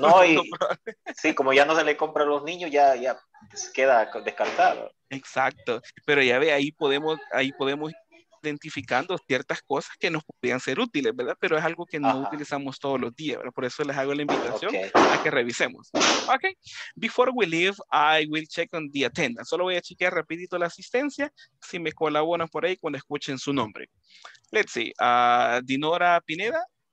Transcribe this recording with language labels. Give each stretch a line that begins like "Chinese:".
Spanish: No, y sí, como ya no se le compra a los niños, ya queda descartado. Exacto. Pero ya ve, ahí podemos identificando ciertas cosas que nos podrían ser útiles, ¿verdad? Pero es algo que no utilizamos todos los días, ¿verdad? Por eso les hago la invitación a que revisemos.
English: Okay. Before we leave, I will check on the attendance.
Spanish: Solo voy a chequear rapidito la asistencia, si me colaboran por ahí cuando escuchen su nombre.
English: Let's see.
Spanish: Dinora Pineda.